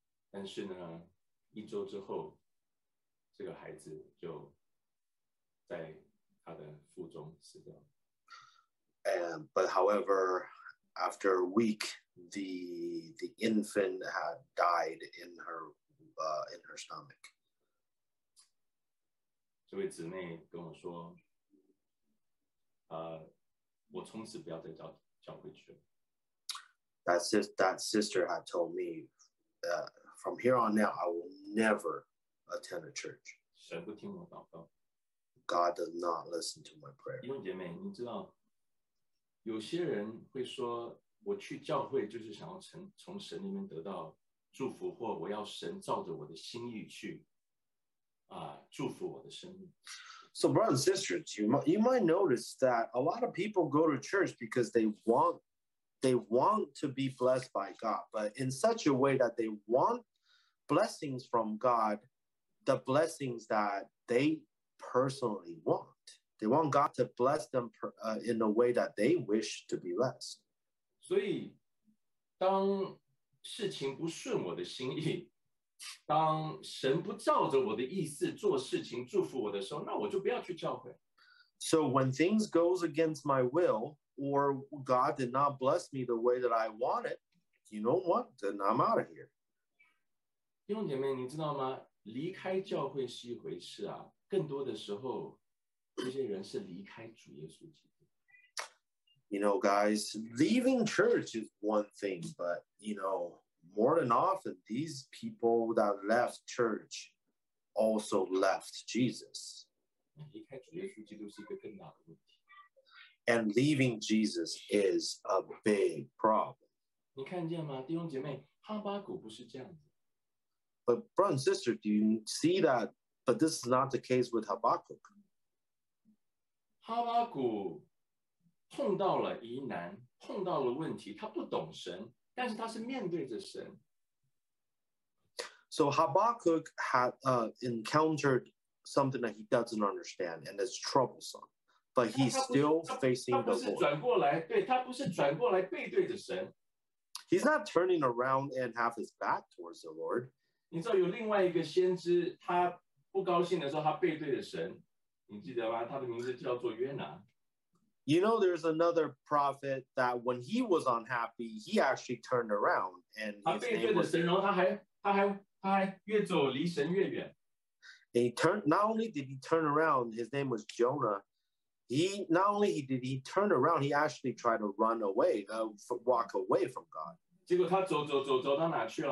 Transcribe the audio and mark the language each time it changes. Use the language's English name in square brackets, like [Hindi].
[Chinese] 但是呢，一周之后，这个孩子就在她的腹中死掉。 [English] But however, after a week, the infant had died in her stomach. [Chinese] 这位姊妹跟我说，我从此不要再教会去了。 [English] That sister had told me, from here on now, I will never attend a church. [Chinese] 神不听我祷告。 [English] God does not listen to my prayer. [Chinese] 弟兄姐妹，你知道，有些人会说，我去教会就是想要从神那边得到祝福，或我要神照着我的心意去。祝福我的生命。 [English] So brothers and sisters, you might notice that a lot of people go to church because they want to be blessed by God, but in such a way that they want blessings from God, the blessings that they personally want. They want God to bless them in a way that they wish to be blessed. [Chinese] 所以当事情不顺我的心意，当神不照着我的意思做事情祝福我的时候，那我就不要去教会。 [English] So when things goes against my will, or God did not bless me the way that I wanted, you know what? Then I'm out of here. [Chinese] 弟兄姐妹，你知道吗？离开教会是一回事啊，更多的时候，这些人是离开主耶稣基督。 [English] You know, guys, leaving church is one thing, but you know, more than often, these people that left church also left Jesus. [Chinese] 离开主耶稣基督是一个更大的问题。 [English] And leaving Jesus is a big problem. [Chinese] 你看见吗，弟兄姐妹？哈巴谷不是这样子。 [English] But brother and sister, do you see that? But this is not the case with Habakkuk. [Chinese] 哈巴谷碰到了疑难，碰到了问题，他不懂神，但是他是面对着神。 [English] So Habakkuk had encountered something that he doesn't understand and is troublesome, but he's still facing the Lord. [Chinese] 他不是转过来，对，他不是转过来背对着神。 [English] He's not turning around and have his back towards the Lord. [Chinese] 你知道有另外一个先知，他不高兴的时候，他背对着神，你记得吗？他的名字叫做约拿。 [English] You know, there's another prophet that when he was unhappy, he actually turned around and he turned. Not only did he turn around, his name was Jonah. He actually tried to run away, walk away from God.